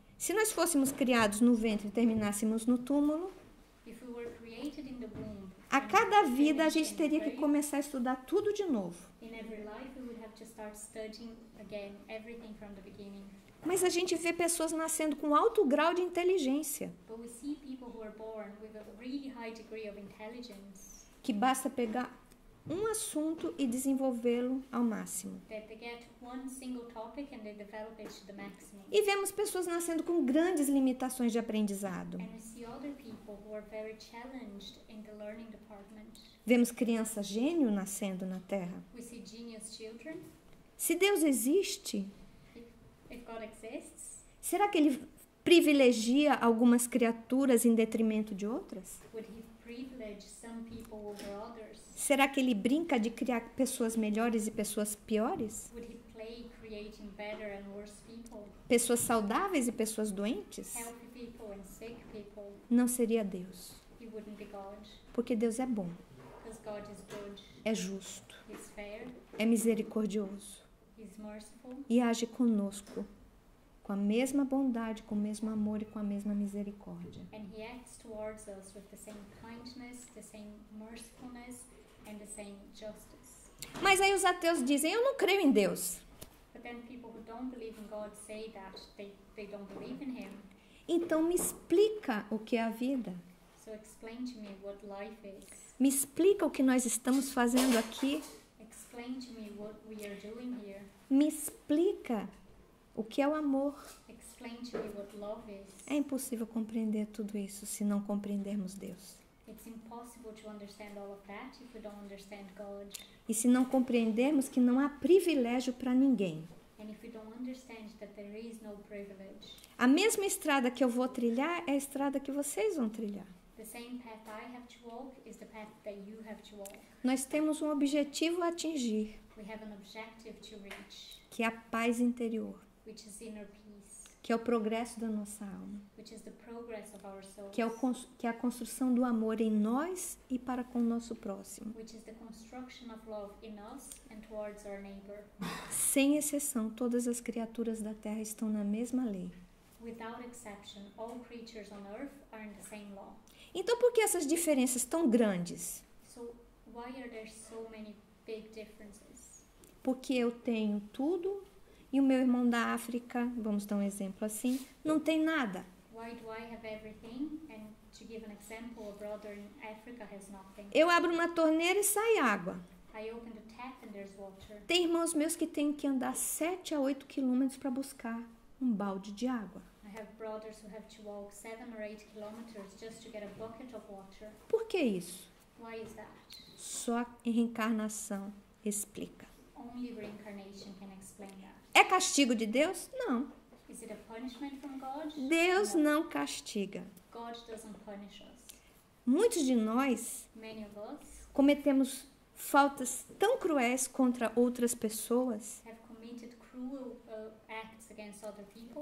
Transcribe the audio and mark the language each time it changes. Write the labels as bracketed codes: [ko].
[pt] Se nós fôssemos criados no ventre e terminássemos no túmulo, [en] if we were created in the womb, [pt] a cada vida a gente teria que começar a estudar tudo de novo. [en] In every life we would have to start studying again everything from the beginning. [pt] Mas a gente vê pessoas nascendo com alto grau de inteligência. [en] But we see people who are born with a really high degree of intelligence. [pt] Que basta pegar um assunto e desenvolvê-lo ao máximo. [en] They get one single topic and they develop it to the maximum. [pt] E vemos pessoas nascendo com grandes limitações de aprendizado. [en] And we see other people who are very challenged in the learning department. [pt] Vemos crianças gênio nascendo na Terra. [en] We see genius children. [pt] Se Deus existe, [en] if God exists, [pt] será que Ele privilegia algumas criaturas em detrimento de outras? [en] Would he privilege some people over others? [pt] Será que ele brinca de criar pessoas melhores e pessoas piores? [en] Would he play creating better and worse people? [pt] Pessoas saudáveis e pessoas doentes? [en] Healthy people and sick people. [pt] Não seria Deus. [en] He wouldn't be God. [pt] Porque Deus é bom. [en] Because God is good. [pt] É justo. [en] He's fair. [pt] É misericordioso. [en] He's merciful. [pt] E age conosco com a mesma bondade, com o mesmo amor e com a mesma misericórdia. [en] And he acts towards us with the same kindness, the same mercifulness and the same justice. [pt] Mas aí os ateus dizem, eu não creio em Deus. [en] But then people who don't believe in God say that they don't believe in him. [pt] Então me explica o que é a vida. [en] So explain to me what life is. [pt] Me explica o que nós estamos fazendo aqui. [en] Explain to me what we are doing here. [pt] Me explica o que é o amor? [en] Explain to me what love is. [pt] É impossível compreender tudo isso se não compreendermos Deus. [en] It's impossible to understand all of that if we don't understand God. [pt] E se não compreendermos que não há privilégio para ninguém. [en] And if we don't understand that there is no privilege. [pt] A mesma estrada que eu vou trilhar é a estrada que vocês vão trilhar. [en] The same path I have to walk is the path that you have to walk. [pt] Nós temos um objetivo a atingir. [en] We have an objective to reach. [pt] Que é a paz interior. [en] Which is inner peace. [pt] Que é o progresso da nossa alma. [en] Which is the progress of our souls. [pt] Que é que é a construção do amor em nós e para com o nosso próximo. [en] Which is the construction of love in us and towards our neighbor. [pt] Sem exceção, todas as criaturas da Terra estão na mesma lei. [en] Without exception, all creatures on earth are in the same law. [pt] Então por que essas diferenças tão grandes? [en] So why are there so many big differences? [pt] Porque eu tenho tudo e o meu irmão da África, vamos dar um exemplo assim, não tem nada. [en] Why do I have everything? And to give an example, a brother in Africa has nothing. [pt] Eu abro uma torneira e sai água. [en] I open the tap and there's water. [pt] Tem irmãos meus que têm que andar 7 a 8 quilômetros para buscar um balde de água. [en] I have brothers who have to walk 7 or 8 kilometers just to get a bucket of water. [pt] Por que isso? [en] Why is that? [pt] Só a reencarnação explica. [en] Only reincarnation can explain that. [pt] É castigo de Deus? Não. [en] Is it a punishment from God? [pt] Deus não castiga. [en] God doesn't punish us. [pt] Muitos de nós, [en] many of us, [pt] cometemos faltas tão cruéis contra outras pessoas, [en] have committed cruel, acts against other people,